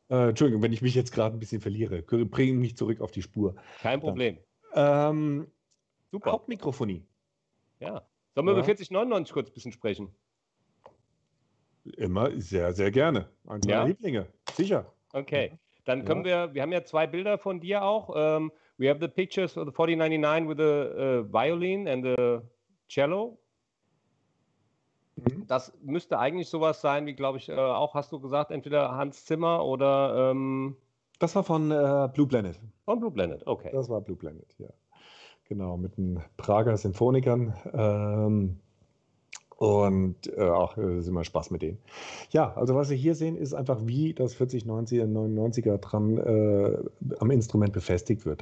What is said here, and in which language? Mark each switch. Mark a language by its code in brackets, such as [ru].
[de] Entschuldigung, wenn ich mich jetzt gerade ein bisschen verliere. Bring mich zurück auf die Spur. Kein Problem. Super. Hauptmikrofonie. Ja. Sollen wir über 4099 kurz ein bisschen sprechen? Immer sehr, sehr gerne. Ein paar Lieblinge. Sicher. Okay. Ja. Dann können wir haben ja zwei Bilder von dir auch. [en] We have the pictures of the 4099 with the violin and the cello. [de] Das müsste eigentlich sowas sein, wie, glaube ich, auch hast du gesagt, entweder Hans Zimmer oder... Das war von Blue Planet. Von Blue Planet, okay. Das war Blue Planet, ja. Genau, mit den Prager Sinfonikern. Auch ist immer Spaß mit denen. Ja, also was wir hier sehen, ist einfach, wie das 4090er dran am Instrument befestigt wird.